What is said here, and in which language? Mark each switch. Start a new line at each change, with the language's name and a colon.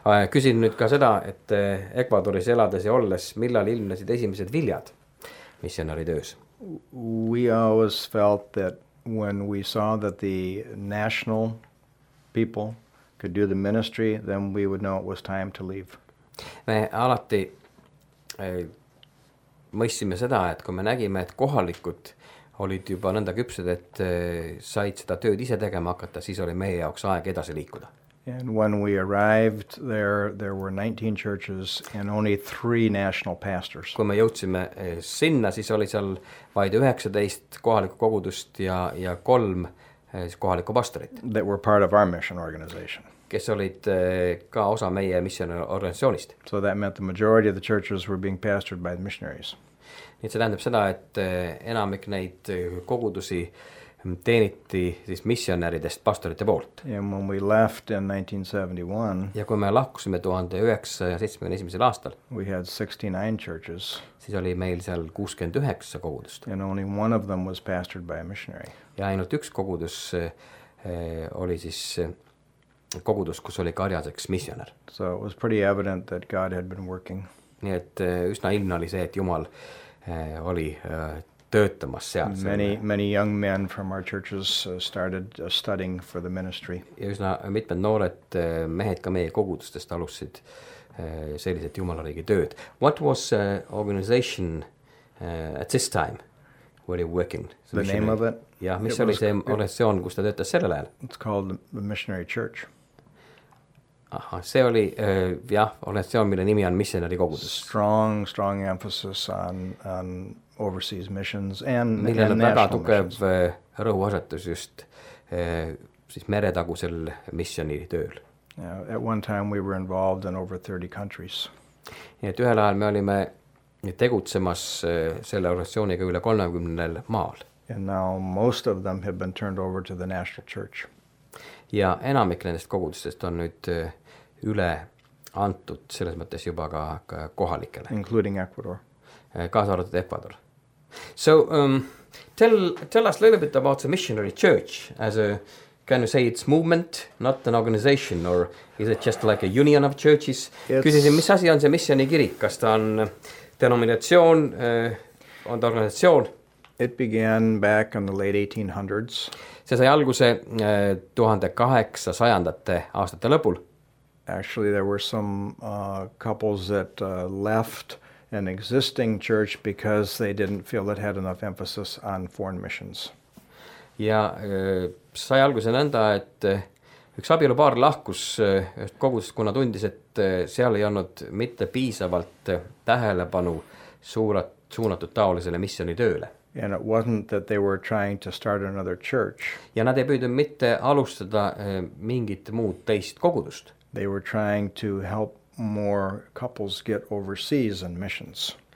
Estonian: Küsin nüüd ka seda, et Ecuadoris elades ja olles, millal ilmnesid esimesed viljad missionari töös?
English: We always felt that when we saw that the national people could do the ministry, then we would know it was time to leave.
Estonian: Me alati mõissime seda, et kui me nägime, et kohalikud olid juba nõnda küpsed, et said seda tööd ise tegema hakata, siis oli meie jaoks aeg edasi liikuda.
English: And when we arrived there were 19 churches and only 3 national pastors.
Estonian: Kui me jõudsime sinna, siis oli seal vaid 19 kohaliku kogudust ja 3 kohaliku pastorit.
English: That were part of our mission organization.
Estonian: Kes olid ka osa meie missionorganisatsioonist.
English: So that meant the majority of the churches were being pastored by the missionaries.
Estonian: Nii see tähendab seda, et enamik neid kogudusi teeniti siis missionäridest pastorite poolt.
English: And when we left in 1971,
Estonian: ja kui me lahkusime 1971. Aastal,
English: we had 69 churches,
Estonian: siis oli meil seal 69 kogudust.
English: And only one of them was pastored by a missionary.
Estonian: Ja ainult üks kogudus oli siis kogudus, kus oli karjaseks missionär.
English: So it was pretty evident that God had been working.
Estonian: Nii et üsna ilmne oli see, et Jumal oli töötamas seal.
English: Many young men from our churches started studying for the ministry.
Estonian: Ja üsna mitmed noored mehed ka meie kogudustest alustasid selliselt jumalariigi tööd.
English: What was the organization at this time? Where you working? The name of it?
Estonian: Yeah, mis oli see organisatsioon, kus ta töötas sellel ajal?
English: It's called the Missionary Church.
Estonian: Aha, see oli organisatsioon, mille nimi on Missionary Kogudus.
English: Strong emphasis on overseas missions and national missions.
Estonian: Millel on väga tugev rõhuasetus just siis meretagusel missioni tööl.
English: Yeah, at one time we were involved in over 30 countries.
Estonian: Ja ühel ajal me olime tegutsemas selle organisatsiooniga üle 30 maal.
English: And now most of them have been turned over to the national church.
Estonian: Ja enamik nendest kogudustest on nüüd üle antud selles mõttes juba ka kohalikele.
English: Including Ecuador.
Estonian: Kaasa arvatud Ecuador.
English: So tell us a little bit about the missionary church as a, can you say it's movement, not an organization, or is it just like a union of churches?
Estonian: Küsisin, mis asi on see missioni kirik? Kas ta on denominatsioon, on ta organisatsioon?
English: It began back in the late 1800s.
Estonian: See sai alguse 1800-ndate aastate lõpul.
English: Actually, there were some couples that left an existing church because they didn't feel it had enough emphasis on foreign missions.
Estonian: Ja sai alguse nõnda, et üks abielupaar lahkus kogudusest, kuna tundis, et seal ei olnud mitte piisavalt tähelepanu suunatud taolisele missioni tööle.
English: And it wasn't that they were trying to start another church.
Estonian: Ja nad ei püüdnud mitte alustada mingit muud teist kogudust.
English: They were trying to help more couples get overseas in missions.